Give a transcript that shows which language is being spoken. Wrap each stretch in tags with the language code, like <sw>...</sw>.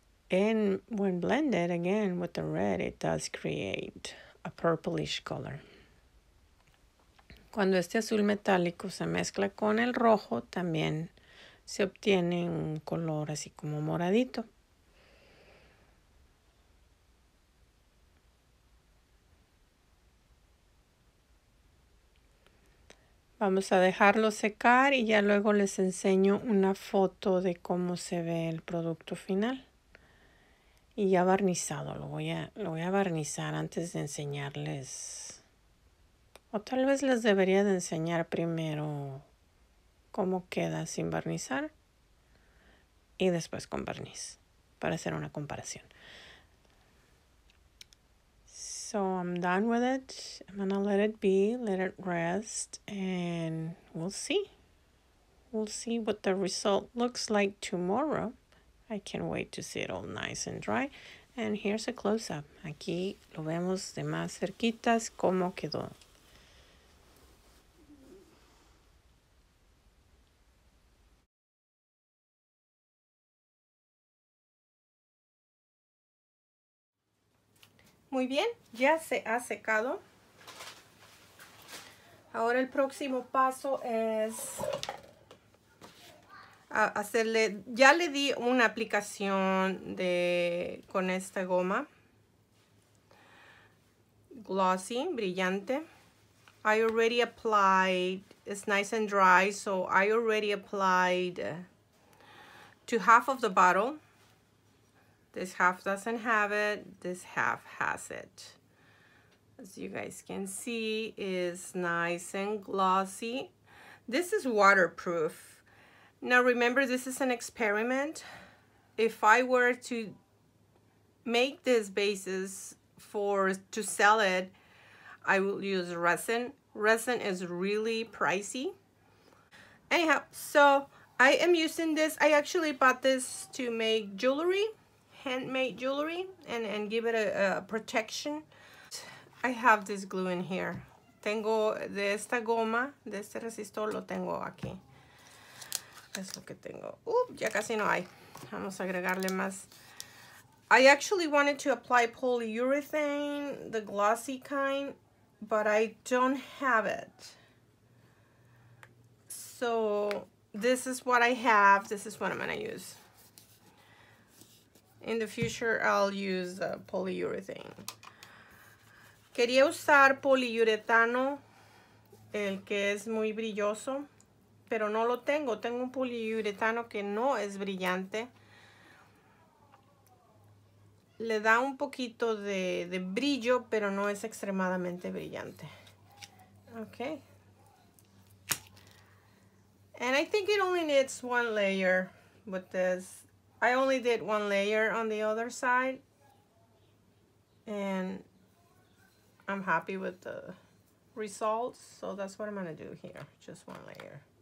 <en>And when blended again with the red, it does create a purplish color.</en> <es>Cuando este azul metálico se mezcla con el rojo, también se obtiene un color así como moradito. Vamos a dejarlo secar y ya luego les enseño una foto de cómo se ve el producto final. Y ya barnizado, lo voy a barnizar antes de enseñarles. O tal vez les debería de enseñar primero cómo queda sin barnizar. Y después con barniz para hacer una comparación.</es> <en>So I'm done with it. I'm gonna let it be, let it rest, and we'll see. We'll see what the result looks like tomorrow. I can't wait to see it all nice and dry. And here's a close-up.</en> <es>Aquí lo vemos de más cerquitas cómo quedó. Muy bien, ya se ha secado. Ahora el próximo paso es hacerle, ya le di una aplicación de con esta goma. Glossy, brillante.</es> <en>I already applied, it's nice and dry, so I already applied to half of the bottle. This half doesn't have it, this half has it. As you guys can see, it's nice and glossy. This is waterproof. Now remember, this is an experiment. If I were to make this basis to sell it, I will use resin. Resin is really pricey. Anyhow, so I am using this. I actually bought this to make jewelry, handmade jewelry, and give it a protection. I have this glue in here.</en> <es>Tengo de esta goma, de este resistor, lo tengo aquí. Es lo que tengo. Ya casi no hay. Vamos a agregarle más.</es> <en>I actually wanted to apply polyurethane, the glossy kind, but I don't have it. So this is what I have. This is what I'm gonna use. In the future, I'll use polyurethane.</en> <es>Quería usar poliuretano, el que es muy brilloso, pero no lo tengo. Tengo un poliuretano que no es brillante. Le da un poquito de brillo, pero no es extremadamente brillante.</es> <en>Okay. And I think it only needs one layer with this. I only did one layer on the other side. And I'm happy with the results, so that's what I'm gonna do here, just one layer.</en>